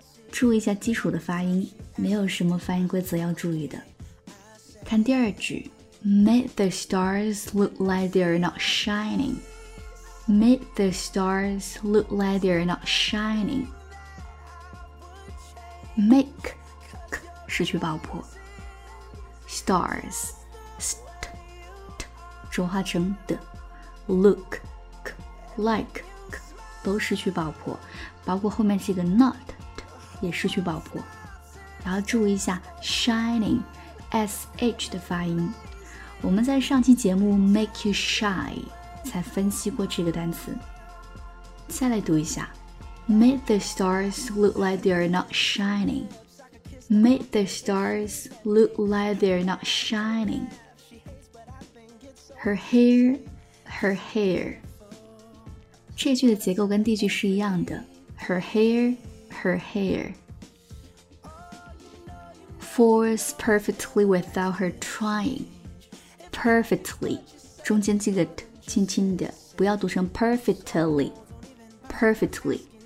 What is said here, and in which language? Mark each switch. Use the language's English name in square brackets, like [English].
[Chinese] 注意一下基础的发音，没有什么发音规则要注意的。看第二句， [English] Make the stars look like they're not shining, Make the stars look like they're not shining。 [Chinese] Make 失去爆破，stars st 浊化成的 look like 都失去爆破，包括后面这个 not 也失去爆破。然后注意一下 shining sh 的发音，我们在上期节目 [English] make you shy [Chinese] 才分析过这个单词。再来读一下， [English] make the stars look like they're not shiningMake the stars look like they're not shining. Her hair, her hair. [Chinese] 这句的结构跟第一句是一样的。 [English] Her hair, her hair. Falls perfectly without her trying. Perfectly. [Chinese] 中间记得 t 轻轻的，不要读成 perfectly. Perfectly.